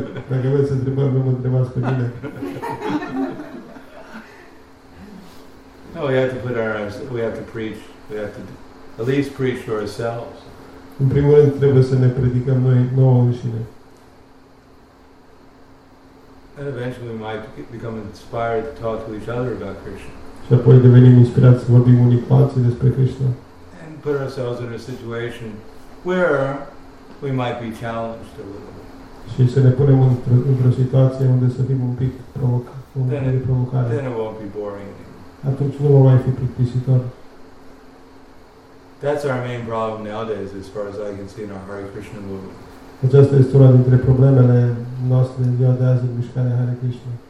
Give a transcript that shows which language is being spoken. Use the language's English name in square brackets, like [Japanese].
[English] Any questions, don't ask me. No, we have to preach, we have to at least preach to ourselves. [Romanian] În primul rând trebuie să ne predicăm noi nouă înșine. [English] And eventually we might become inspired to talk to each other about Krishna. [Romanian] Și apoi devenim inspirați să vorbim unii cu alții despre Krishna. [English] And put ourselves in a situation where we might be challenged a little bit. [Romanian] Și să ne punem într-o situație unde să fim un pic provocare. [English] Then it won't be boring anymore. [Romanian] Atunci nu va mai fi plictisitor. [English] That's our main problem nowadays, as far as I can see in our Hare Krishna movement. [Romanian] Aceasta este una dintre problemele noastre în ziua de azi în mișcarea Hare Krishna.